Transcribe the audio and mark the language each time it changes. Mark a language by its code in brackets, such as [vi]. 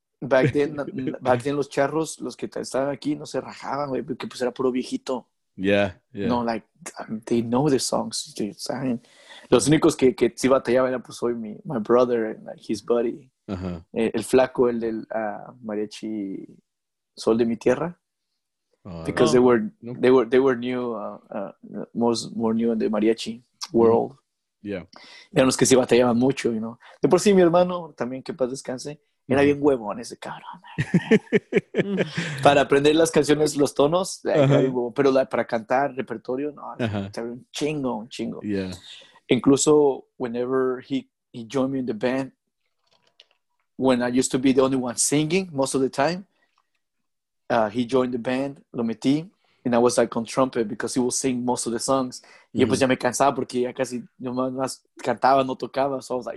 [es] Back then, los charros, los que estaban aquí, no se rajaban, güey, porque pues era puro viejito. [en] Yeah. No, like, they know the songs, dude, [es] ¿saben? Los únicos que sí batallaban era, pues, hoy [en] my brother and like, his buddy. Uh-huh. [es] El flaco, el del mariachi Sol de mi Tierra. [en] Because no. they were new, more new in the mariachi world. Mm-hmm. Yeah. [es] Eran los que sí batallaban mucho, [en] you know. [es] De por sí, mi hermano, también, que paz descanse. Era bien huevón ese cabrón. Para aprender las canciones, los tonos, uh-huh. Pero para cantar repertorio, no, uh-huh. un chingo. [en] Yeah. Incluso, whenever he joined me in the band, when I used to be the only one singing most of the time, he joined the band, [es] lo metí, [en] and I was like on trumpet because he would sing most of the songs. [es] Mm-hmm. Y pues ya me cansaba porque ya casi no más cantaba, no tocaba, [en] so I was like,